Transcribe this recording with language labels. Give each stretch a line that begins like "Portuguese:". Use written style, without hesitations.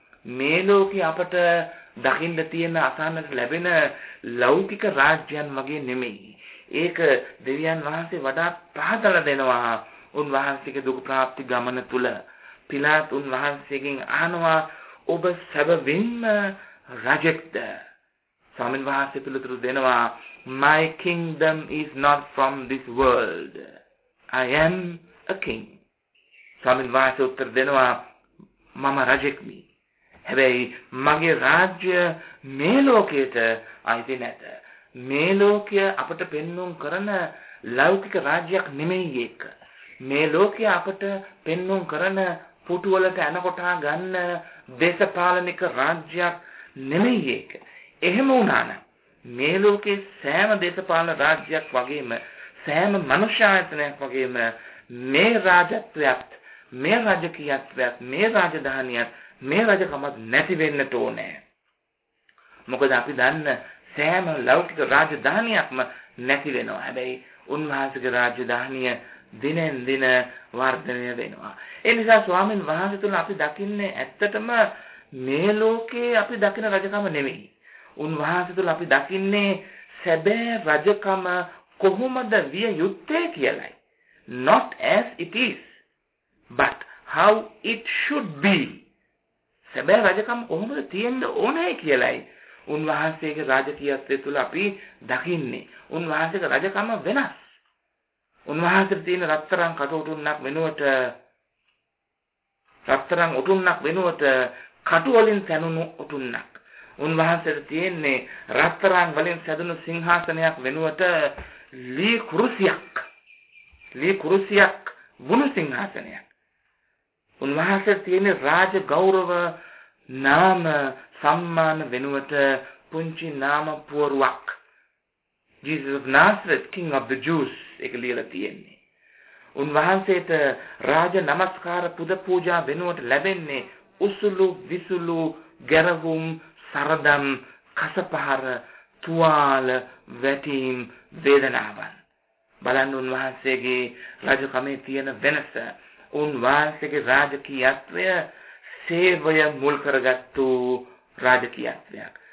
Sinhala: මේ ලෝකේ අපට දකින්න තියෙන අසන්නට ලැබෙන ලෞකික රාජ්‍යයන් වගේ නෙමෙයි. ඒක දෙවියන් වහන්සේ වඩා පහදලා දෙනවා උන්වහන්සේගේ දුක් ප්‍රාප්ති ගමන තුල. පිලාත් උන්වහන්සේගෙන් අහනවා, ඔබ සැබවින්ම රජෙක්ද? ස්වාමීන් වහන්සේ පිළිතුරු දෙනවා,
English: My kingdom is not from this world. I am a king.
Sinhala: ස්වාමීන් වහන්සේ උත්තර දෙනවා, මම රජෙක්මි. හැබැයි මගේ රාජ්‍ය මේ ලෝකයට අයිති නැත. මේ ලෝකය අපට පෙන්වුම් කරන ලෞකික රාජ්‍යයක් නෙමෙයි ඒක. මේ ලෝකය අපට පෙන්වුම් කරන පුටුවලට ඇන කොටා ගන්න දේශපාලනික රාජ්‍යයක් නෙමෙයි ඒක. එහෙම වුණානම් මේ ලෝකේ සෑම දේශපාලන රාජ්‍යයක් වගේම සෑම මනුෂ්‍ය ආයතනයක් වගේම මේ රාජත්වයක්, මේ රාජකීයත්වයක්, මේ රාජධානියක්, මේ රජකමක් නැති වෙන්න ඕනේ. මොකද අපි දන්න සෑම ලෞකික රාජධානියක්ම නැති වෙනවා. හැබැයි උන්වහන්සේගේ රාජධානිය දිනෙන් දින වර්ධනය වෙනවා. ඒ නිසා ස්වාමීන් වහන්සේ තුල අපි දකින්නේ ඇත්තටම මේ ලෝකේ අපි දකින රජකම නෙමෙයි. උන්වහන්සේ තුල අපි දකින්නේ සැබෑ රජකම කොහොමද විය යුත්තේ කියලයි.
English: Not as it is, but how it should be.
Sinhala: සැබෑ රජකම කොහොමද තියෙන්න ඕනේ කියලයි උන්වහන්සේගේ රාජකීයත්වය තුල අපි දකින්නේ. උන්වහන්සේගේ රජකම වෙනස්. උන්වහන්සේ තියෙන රත්තරන් කටුඋතුන්නක් වෙනුවට, රත්තරන් උතුන්නක් වෙනුවට කටු වලින් සැනුණු උතුන්නක්. උන්වහන්සේ තියෙන්නේ රත්තරන් වලින් සැදුණු සිංහාසනයක් වෙනුවට ලී කුරුසියක්. ලී කුරුසියක් වුණු සිංහාසනයක්. උන්වහන්සේ තියෙන රාජ ගෞරව නාම සම්මාන වෙනුවට පුංචි නාම පුවරුවක්.
English: Jesus of Nazareth, King of the Jews,
Sinhala: එක ලියලා තියෙන්නේ. උන්වහන්සේට රාජ නමස්කාර පුද පූජා වෙනුවට ලැබෙන්නේ උසුළු විසුළු ගැරවුම්, සරදම්, කසපහර, තුවාල, වැටීම්, වේදනාවන්. බලන්න උන්වහන්සේගේ රජකමේ තියෙන වෙනස. උන්වහන්සේගේ රාජකීයත්වය සේවය මුල් කරගත්තු රාජකීයත්වයක්.